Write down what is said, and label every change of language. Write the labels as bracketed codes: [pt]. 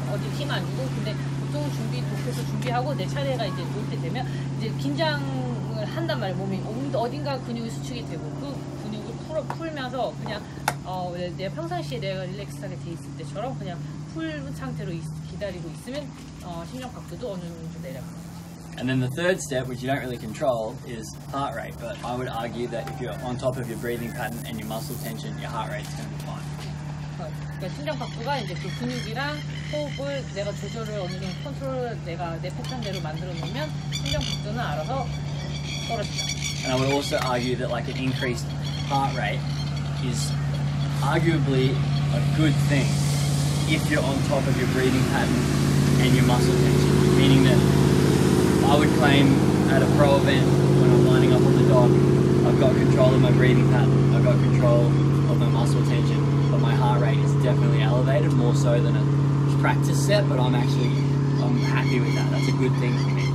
[ko] 어디 힘 안 주고 근데 보통 준비 독해서 준비하고 내 차례가 이제 올 때 되면 이제 긴장 한단 말이야. 몸이 어딘가 근육이 수축이 되고 그 근육을 풀면서 그냥 내 평상시에 내가 릴렉스하게 돼 있을 때처럼 그냥 풀 상태로 기다리고 있으면 심장 박동도 어느 정도 내려가. [en] And then the third step, which you don't really control, is heart rate. But I would argue that if you're on top of your breathing pattern and your muscle tension, your heart rate's going to be fine. [ko] 그러니까 심장 박동이 이제 그 근육이랑 호흡을 내가 조절을 어느 정도 컨트롤 내가 내 패턴대로 만들어 놓으면 심장 박동은 알아서 [en] And I would also argue that like an increased heart rate is arguably a good thing if you're on top of your breathing pattern and your muscle tension. Meaning that I would claim at a pro event when I'm lining up on the dock, I've got control of my breathing pattern, I've got control of my muscle tension, but my heart rate is definitely elevated more so than a practice set, but I'm happy with that. That's a good thing for me.